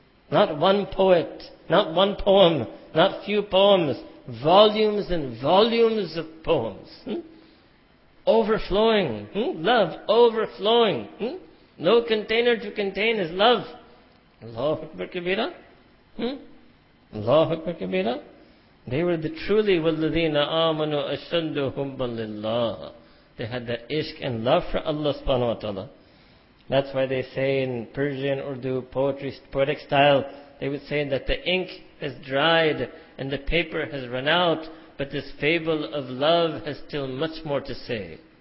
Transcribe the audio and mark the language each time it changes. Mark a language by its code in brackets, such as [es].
[en] Not one poet, not one poem, not few poems. Volumes and volumes of poems. Overflowing. Love overflowing. No container to contain his love. [ar] Allahu Akbar Kabira. Allahu Akbar Kabira. [en] They were the truly [ar] وَالَّذِينَ آمَنُوا أَشَدُّ حُبًّا لِلَّهِ. [en] They had that ishq and love for Allah subhanahu wa ta'ala. That's why they say in Persian, Urdu, poetry, poetic style, they would say that the ink has dried and the paper has run out, but this fable of love has still much more to say.